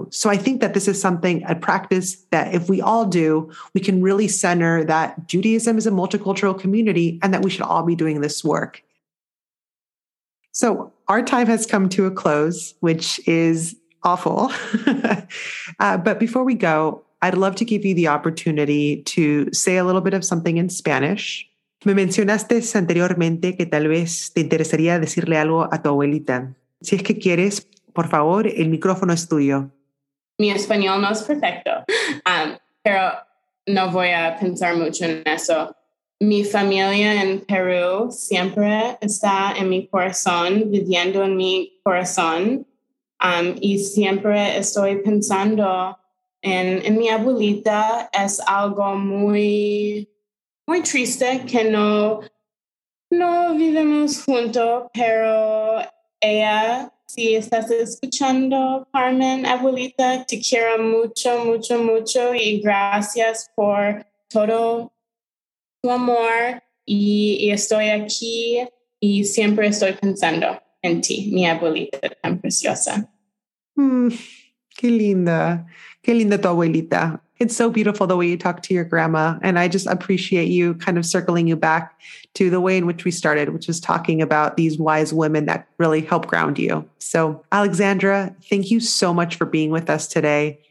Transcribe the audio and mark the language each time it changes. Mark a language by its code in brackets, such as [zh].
[en] So I think that this is something, a practice that if we all do, we can really center that Judaism is a multicultural community and that we should all be doing this work. So our time has come to a close, which is awful. But before we go, I'd love to give you the opportunity to say a little bit of something in Spanish. [es] Me mencionaste anteriormente que tal vez te interesaría decirle algo a tu abuelita. Si es que quieres, por favor, el micrófono es tuyo. Mi español no es perfecto, pero no voy a pensar mucho en eso. Mi familia en Perú siempre está en mi corazón, viviendo en mi corazón. Y siempre estoy pensando en mi abuelita. Es algo muy, muy triste que no vivimos juntos, pero ella, si estás escuchando, Carmen, abuelita, te quiero mucho, mucho, mucho, y gracias por todo tu amor, y estoy aquí, y siempre estoy pensando en ti, mi abuelita tan preciosa. Qué linda. Qué linda tu abuelita. [en] It's so beautiful the way you talk to your grandma. And I just appreciate you kind of circling you back to the way in which we started, which is talking about these wise women that really help ground you. So, Alexandra, thank you so much for being with us today.